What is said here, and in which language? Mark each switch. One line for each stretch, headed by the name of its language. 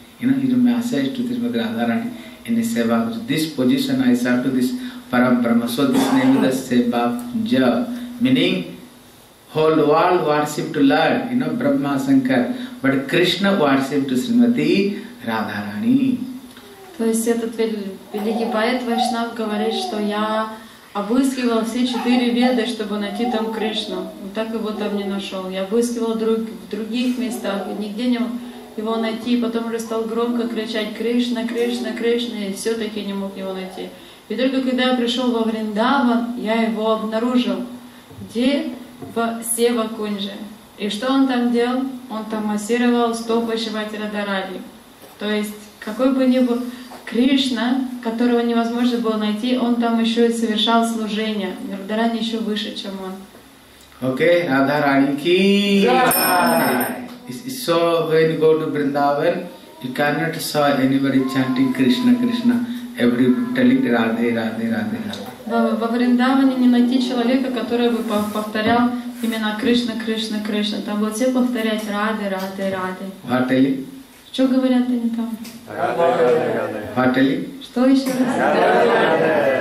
English: You know, he do message to Srimati Radharani in Seva Kunja. This position I saw to this Param Brahma. So this name is the Seva Kunja, meaning whole world worship to Lord, you know, Brahma Sankar, but Krishna worship to Srimati Radharani.
Russian: То есть этот великий поэт Вайшнав говорит, что я обыскивал все четыре веды, чтобы найти там Кришну. Вот так его там не нашел. Я обыскивал в других местах, нигде не мог его найти. Потом уже стал громко кричать Кришна, Кришна, Кришна, и все-таки не мог его найти. И только когда я пришел во Вриндаван, я его обнаружил. Где? В Сева Кунже. И что он там делал? Он там массировал стопы Шивати Радхарани. То есть, какой бы ни был Кришна, которого невозможно было найти, он там еще и совершал служение. Радхарани еще выше, чем он. Окей, Радхарани ки! Джай!
English: So, when you go to Vrindavan, you cannot saw anybody chanting Krishna, Krishna. Every telling Radhe, Radhe, Radhe.
Russian: Во Вриндаване не найти человека, который бы повторял именно Кришна, Кришна, Кришна. Там будут все повторять Радхе, Радхе, Радхе. Ватали? Что говорят они там? Радхе, Радхе, Радхе. Ватали? Что еще раз? Радхе, Радхе.